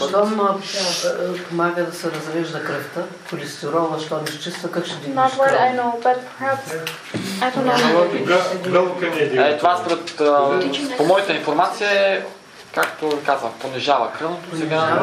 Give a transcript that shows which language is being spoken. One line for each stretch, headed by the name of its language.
Bulgarian: Щом помага да се разрежда кръвта, холестерола, що не изчиства, как ще дигнеш кръвта?
English: Not what I know, but perhaps, I don't know.
Bulgarian: Това според, по моята информация е, както казвам, понижава кръвното сега.